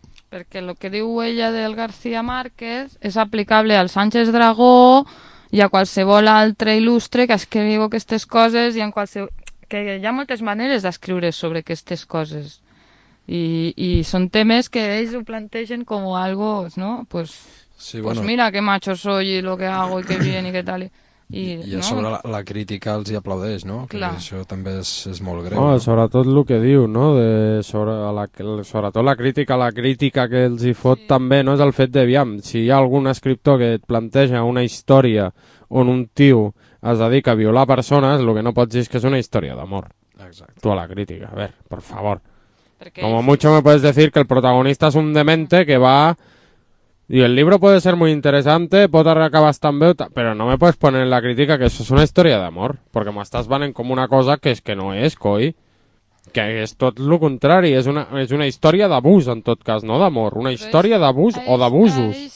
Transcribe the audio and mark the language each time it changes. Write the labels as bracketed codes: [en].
[ca] Perquè el que diu ella del García Márquez és aplicable al Sánchez Dragó i a qualsevol altre il·lustre que escriu aquestes coses i en qualsevol... que hi ha moltes maneres d'escriure sobre aquestes coses i són temes que ells ho plantegen com algo, no? Pues, sí, bueno. [es] Pues mira que macho soy y lo que hago y que bien y que tal. [ca] I a sobre la crítica els hi aplaudeix, no? Clar. Que això també és molt greu. Oh, sobretot el que diu, no? Sobretot la crítica que els hi fot, sí. També no és el fet de, aviam, si hi ha algun escriptor que et planteja una història on un tio es dedica a violar persones, el que no pots dir és que és una història d'amor. Exacte. [es] Tu a la crítica, a ver, por favor. Como mucho me puedes decir que el protagonista es un demente que va... Y el libro puede ser muy interesante, puede acabar bastante, pero no me puedes poner en la crítica que eso es una historia [ca] d'amor, perquè m'estàs venent com una cosa que és que no és, coi, que és tot el contrari, és una història d'abús, en tot cas, no d'amor, una història d'abús o d'abusos.